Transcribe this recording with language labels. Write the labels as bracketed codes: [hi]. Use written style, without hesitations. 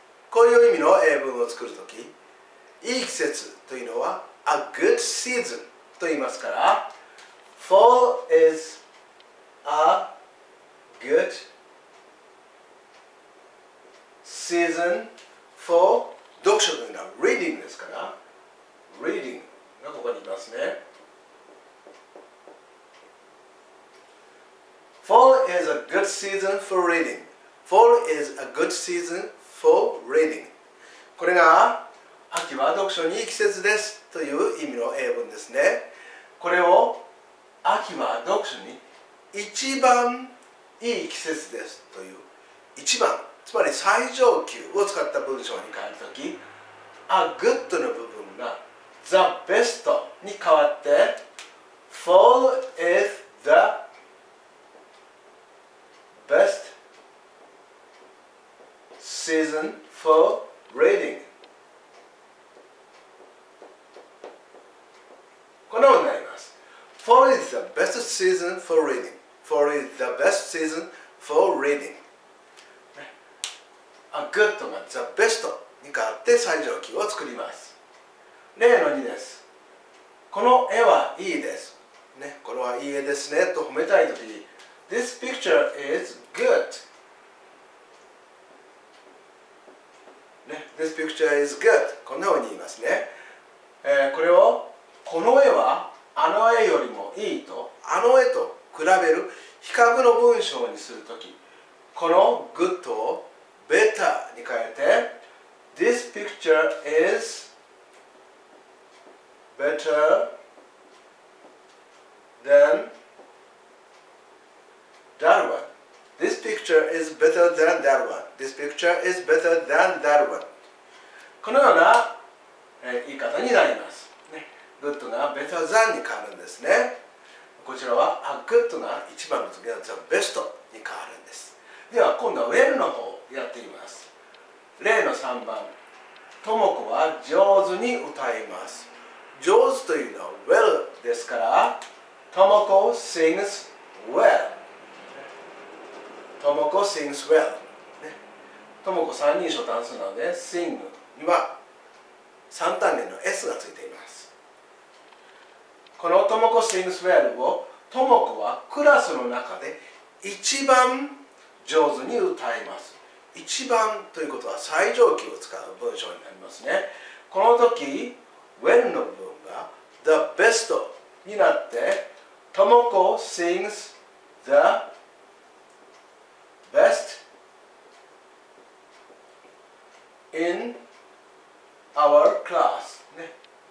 [ja] こういう意味の英文を作るとき、いい季節というのは a good season と言いますから、 [en] fall is a good season for [ja] 読書というのは reading ですから、reading がここにいますね。 [en] Fall is a good season for reading. Fall is a good season for reading. [ja] これが秋は読書にいい季節ですという意味の英文ですね。これを秋は読書に一番いい季節ですという一番、つまり最上級を使った文章に変えるとき、 a good の部分がThe best に変わって [en] Fall is the best season for reading。 [ja] このようになります。 [en] Fall is the best season for reading。 Fall is the best season for reading。 [ja] A good が The best に変わって最上級を作ります。例の2です。この絵はいいです。ね、これはいい絵ですねと褒めたいときに、 [en] This picture is good.、 [ja] ね、This picture is good. こんなふうに言いますね。これを、この絵はあの絵よりもいいと、あの絵と比べる比較の文章にするとき、この good を better に変えて、 [en] This picture isBetter than that one. This picture is better than that one. This picture is better than that one. [ja] このような、言い方になります。ね、good が better than に変わるんですね。こちらは a good が一番の時は the best に変わるんです。では今度は well の方をやってみます。例の3番。トモコは上手に歌います。上手というのは well ですから、 [en] Tomoko sings well。 Tomoko sings well。 [ja] Tomoko 三人称単数なので、sing には三単元の s がついています。この Tomoko sings well を、Tomoko はクラスの中で一番上手に歌います。一番ということは最上級を使う文章になりますね。この時、well の部分The best になって、 [en] Tomoko sings the best in our class、 [ja] ね。